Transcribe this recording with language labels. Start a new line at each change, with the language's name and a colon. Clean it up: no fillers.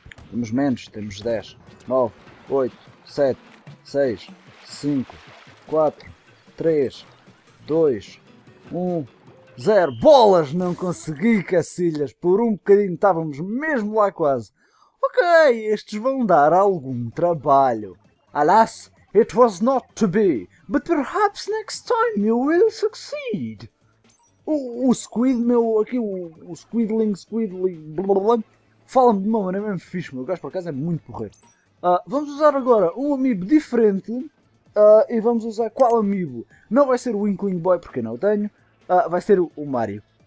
Portuguese: Temos menos, temos 10, 9, 8, 7, 6, 5, 4, 3, 2, 1, 0. Bolas! Não consegui, cacilhas! Por um bocadinho estávamos mesmo lá quase. Ok, estes vão dar algum trabalho.
English: Alas, it was not to be, but perhaps next time you will succeed.
Portuguese: O Squid, meu, aqui, o Squidling, blá blá. Fala-me de uma maneira mesmo fixe, meu gajo, por acaso é muito porreiro. Vamos usar agora um amiibo diferente. E vamos usar qual amiibo? Não vai ser o Inkling Boy, porque não o tenho. Vai ser o Mario.